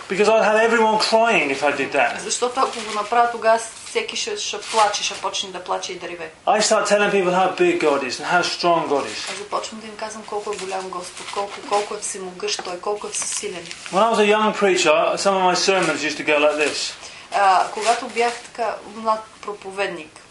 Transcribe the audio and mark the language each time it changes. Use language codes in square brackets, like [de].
[en] Because I'd have everyone crying if I did that. [bg] Защото ако го направя тогава, всеки ще плаче, ще почне да плаче и да реве. [en] I start telling people how big God is and how strong God is. [bg] Аз започвам да им казвам колко е голям Господ, колко е всемогъщ Той, колко е всесилен. [en] When I was a young preacher, some of my sermons used to go like this. [bg] Когато бях така млад проповедник.